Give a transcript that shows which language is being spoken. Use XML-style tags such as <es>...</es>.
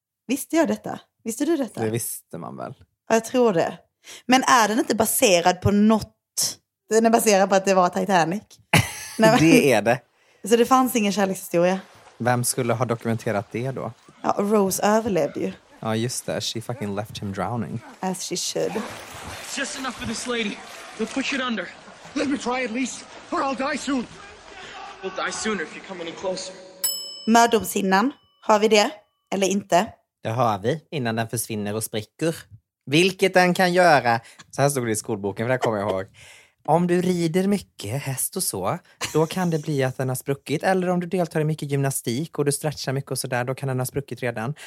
<sv>Visste jag detta? Visste du detta? Det visste man väl. Jag tror det. Men är den inte baserad på något? Den är baserad på att det var Titanic. Nej, men... Det är det. Så det fanns ingen kärlekshistoria. Vem skulle ha dokumenterat det då? Ja, Rose överlevde ju. Ja, oh, just det.</sv> <en>She fucking left him drowning. As she should. Just enough for this lady. We'll push it under. Let me try at least, or I'll die soon. We'll die sooner if you come any closer.</en> <sv>Mördomshinnan. Har vi det? Eller inte? Det har vi, innan den försvinner och spricker. Vilket den kan göra. Så här stod det i skolboken, för det kommer jag ihåg. Om du rider mycket, häst och så, då kan det bli att den har spruckit. Eller om du deltar i mycket gymnastik och du stretchar mycket och sådär, då kan den ha spruckit redan.</sv>